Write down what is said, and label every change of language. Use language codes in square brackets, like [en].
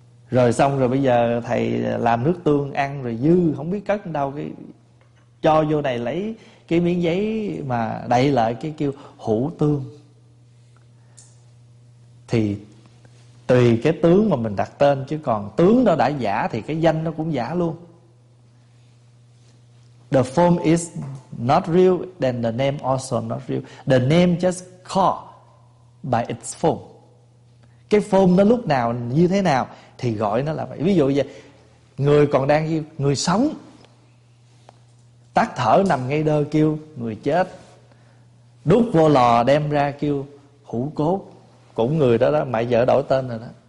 [vi] Rồi xong rồi bây giờ thầy làm nước tương ăn rồi dư không biết cất đâu, cái cho vô này lấy cái miếng giấy mà đậy lại cái kêu hũ tương. Thì tùy cái tướng mà mình đặt tên, chứ còn tướng đó đã giả thì cái danh nó cũng giả luôn. [en] The form is not real, then the name also not real. The name just called by its form. [vi] Cái form nó lúc nào như thế nào thì gọi nó là vậy. Ví dụ như vậy, người còn đang kêu người sống, tắt thở nằm ngay đơ kêu người chết, đút vô lò đem ra kêu hủ cốt, cũng người đó đó, mẹ vợ đổi tên rồi đó.